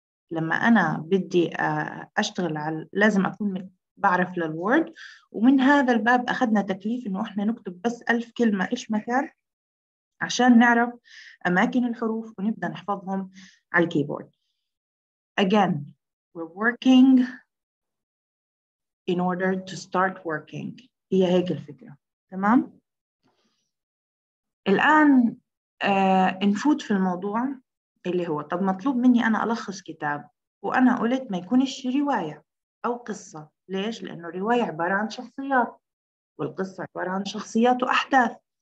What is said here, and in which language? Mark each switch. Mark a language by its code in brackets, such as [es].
[ar] لما أنا بدي أشتغل على لازم أكون بعرف للوورد ومن هذا الباب أخذنا تكليف إنه إحنا نكتب بس 1000 كلمة إيش مثال عشان نعرف أماكن الحروف ونبدأ نحفظهم على الكيبورد. [en] Again, we're working in order to start working. [ar] هي هيك الفكرة. تمام؟ الآن نفوت في الموضوع اللي هو طب مطلوب مني أنا ألخص كتاب وأنا قلت ما يكونش رواية أو قصة. ليش؟ لأنه الرواية عبارة عن شخصيات والقصة عبارة عن شخصيات وأحداث.